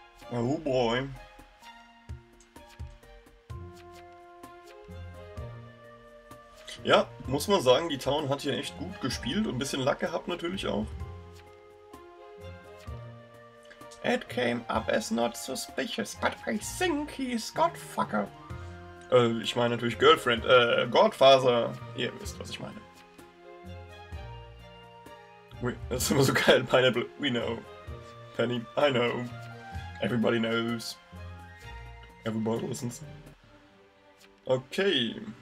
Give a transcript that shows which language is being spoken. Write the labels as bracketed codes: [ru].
[en] Oh boy. [de] Ja, muss man sagen, die Town hat hier echt gut gespielt und ein bisschen Luck gehabt natürlich auch. [en] It came up as not suspicious, but I think he's Godfucker. [de] Ich meine natürlich Girlfriend, Godfather. Ihr wisst, was ich meine. Das ist immer so geil, Pineapple. [en] We know. Penny, I know. Everybody knows. Everybody listens. Okay.